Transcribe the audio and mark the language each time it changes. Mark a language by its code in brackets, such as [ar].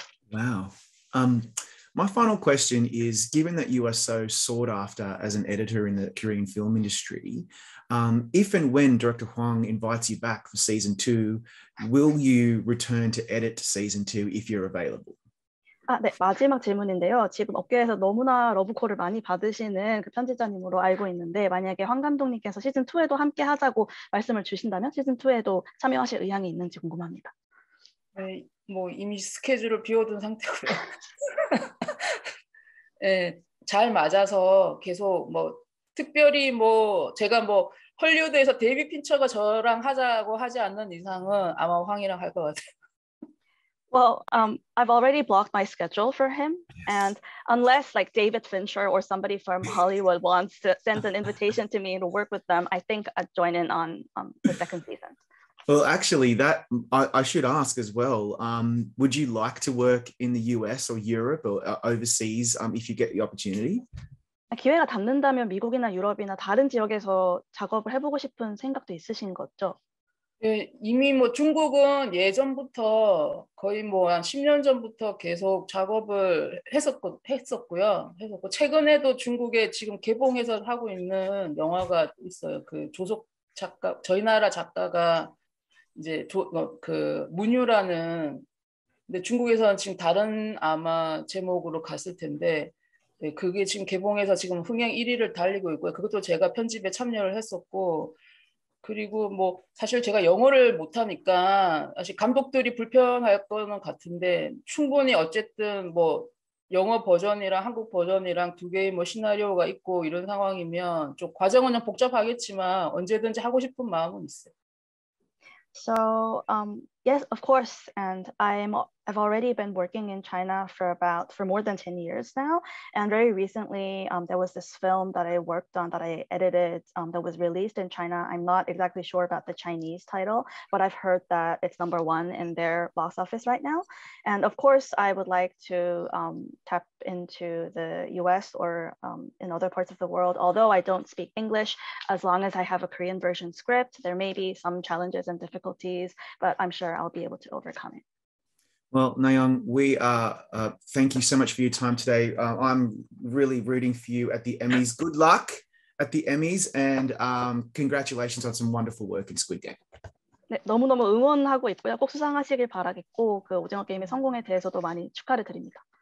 [en] Wow. My final question is, given that you are so sought after as an editor in the Korean film industry, if and when Director Hwang invites you back for season two, will you return to edit season two if you're available? [ko] 아, 네, 마지막 질문인데요. 지금 업계에서 너무나 러브콜을 많이 받으시는 그 편집자님으로 알고 있는데, 만약에 황 감독님께서 시즌2에도 함께 하자고 말씀을 주신다면, 시즌2에도 참여하실 의향이 있는지 궁금합니다. 네, 뭐 이미 스케줄을 비워둔 상태고요. 네, 잘 맞아서 계속 뭐 특별히 뭐 제가 뭐 헐리우드에서 데이비 핀처가 저랑 하자고 하지 않는 이상은 아마 황이랑 할것 같아요. [en] Well, I've already blocked my schedule for him. And unless like David Fincher or somebody from Hollywood wants to send an invitation to me to work with them, I think I'd join in on the second season. Well, actually, that I should ask as well. Would you like to work in the US or Europe or overseas, if you get the opportunity? [ko] 기회가 닿는다면 미국이나 유럽이나 다른 지역에서 작업을 해보고 싶은 생각도 있으신 거죠? 예, 이미 뭐 중국은 예전부터 거의 뭐한 10년 전부터 계속 작업을 했었고요. 했었고 최근에도 중국에 지금 개봉해서 하고 있는 영화가 있어요. 그 조속 작가 저희 나라 작가가 이제 그 문유라는 근데 중국에서는 지금 다른 아마 제목으로 갔을 텐데 예, 그게 지금 개봉해서 지금 흥행 1위를 달리고 있고요. 그것도 제가 편집에 참여를 했었고 그리고 뭐 사실 제가 영어를 못하니까 사실 감독들이 불편할 거는 같은데 충분히 어쨌든 뭐 영어 버전이랑 한국 버전이랑 두 개의 뭐 시나리오가 있고 이런 상황이면 좀 과정은 좀 복잡하겠지만 언제든지 하고 싶은 마음은 있어요. [en] So yes, of course, and I've already been working in China for more than 10 years now. And very recently, there was this film that I worked on that I edited that was released in China. I'm not exactly sure about the Chinese title, but I've heard that it's number one in their box office right now. And of course, I would like to tap into the US or in other parts of the world. Although I don't speak English, as long as I have a Korean version script, there may be some challenges and difficulties, but I'm sure I'll be able to overcome it. Well, Nayeon, we are thank you so much for your time today. I'm really rooting for you at the Emmys. Good luck at the Emmys and congratulations on some wonderful work in Squid Game. [ko] 네, 너무너무 응원하고 있고요. 꼭 수상하시길 바라겠고, 그 오징어 게임의 성공에 대해서도 많이 축하를 드립니다.